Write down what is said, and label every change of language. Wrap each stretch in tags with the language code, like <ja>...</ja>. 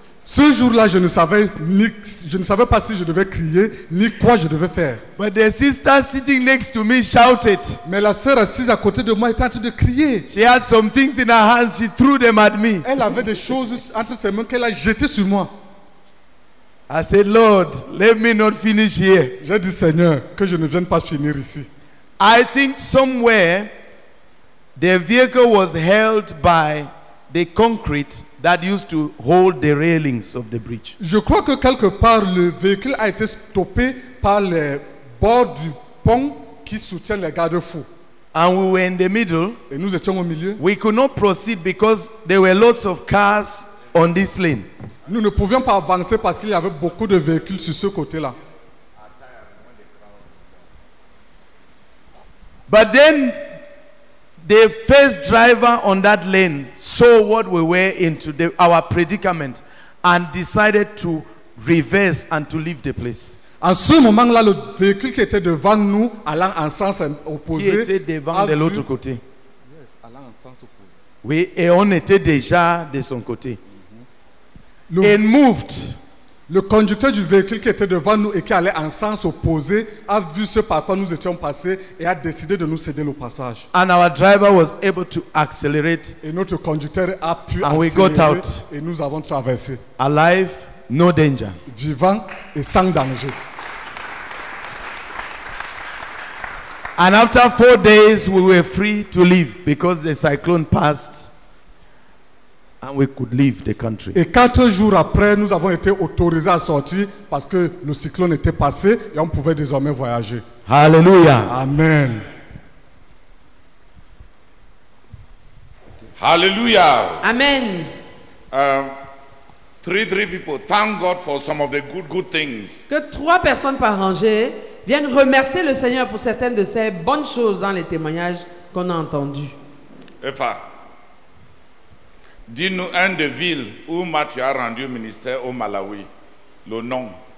<fr>Ce jour-là, je ne savais pas si je devais crier ni quoi je devais faire.</fr> <en>But the sister sitting next to me shouted.</en> <fr>Mais la sœur assise à côté de moi était en train de crier.</fr> <en>She had some things in her hands. She threw them at me.</en> <fr>Elle avait des choses entre ses mains qu'elle a jetées sur moi.</fr> <en>I said, Lord, let me not finish here.</en> <fr>J'ai dit, Seigneur, que je ne vienne pas finir ici.</fr> <en>I think somewhere the vehicle was held by the concrete that used to hold the railings of the bridge.</en> <fr>Je crois que quelque part le véhicule a été stoppé par les bords du pont qui soutient les garde-fous.</fr> <en>And we were in the middle.</en> <fr>Et nous étions au milieu.</fr> <en>We could not proceed because there were lots of cars on this lane.</en> <fr>Nous ne pouvions pas avancer parce qu'il y avait beaucoup de véhicules sur ce côté-là.</fr> <en>But then the first driver on that lane saw what we were into, our predicament, and decided to reverse and to leave the place.</en> <fr>À ce moment-là, le véhicule qui était devant nous, allant en sens opposé, qui était devant de l'autre côté. Yes, allant en sens opposé. Oui, et on était déjà de son côté.</fr> <en>Mm-hmm. And moved.</en> <fr>Le conducteur du véhicule qui était devant nous et qui allait en sens opposé a vu ce par quoi nous étions passés et a décidé de nous céder le passage.</fr> <en>And our driver was able to accelerate.</en> <fr>Et notre conducteur a pu</fr> <en>and we got out.</en> <fr>Et nous avons traversé.</fr> <en>Alive, no danger.</en> <fr>Vivant et sans danger.</fr> <en>And after 4 days, we were free to leave because the cyclone passed. And we could leave the country.</en> <fr>Et 4 jours après, nous avons été autorisés à sortir parce que le cyclone était passé et on pouvait désormais voyager.</fr> <en>Hallelujah. Amen. Hallelujah. Amen. Three people. Thank God for some of the good things.</en> <fr>Que 3 personnes par rangée viennent remercier le Seigneur pour certaines de ces bonnes choses dans les témoignages qu'on a entendus. Efa. Dis-nous un des villes où Mathieu a rendu ministère au Malawi. Le nom.</fr>